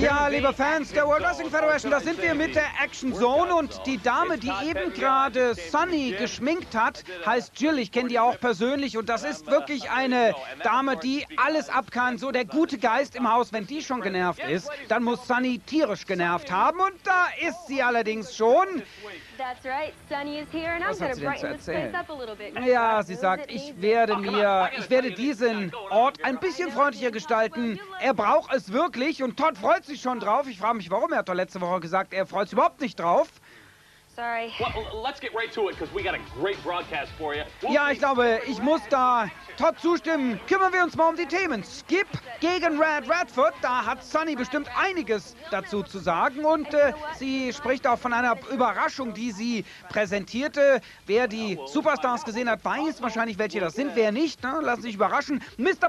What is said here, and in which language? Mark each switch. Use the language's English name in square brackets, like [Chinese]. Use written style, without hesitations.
[German] Ja, liebe Fans der World Wrestling Federation, da sind wir mit der Action Zone und die Dame, die eben gerade Sunny geschminkt hat, heißt Jill. Ich kenne die auch persönlich und das ist wirklich eine Dame, die alles abkann. So der gute Geist im Haus, wenn die schon genervt ist, dann muss Sunny tierisch genervt haben und da ist sie allerdings schon. [English] That's right, Sunny is here and I'm going to brighten this place up a little bit. [German] Ja, sie sagt, ich werde diesen Ort ein bisschen freundlicher gestalten. Er braucht es wirklich und Todd freut sich schon drauf. Ich frage mich, warum. Er hat doch letzte Woche gesagt, er freut sich überhaupt nicht drauf. [English] Sorry. Well, let's get right to it, because we got a great broadcast for you. [German] Ja, ich glaube, ich muss da Todd zustimmen. Kümmern wir uns mal um die Themen. Skip gegen Rad Radford, da hat Sunny bestimmt einiges dazu zu sagen. Und sie spricht auch von einer Überraschung, die sie präsentierte. Wer die Superstars gesehen hat, weiß wahrscheinlich, welche das sind. Wer nicht, ne? Lass sich überraschen. Mr.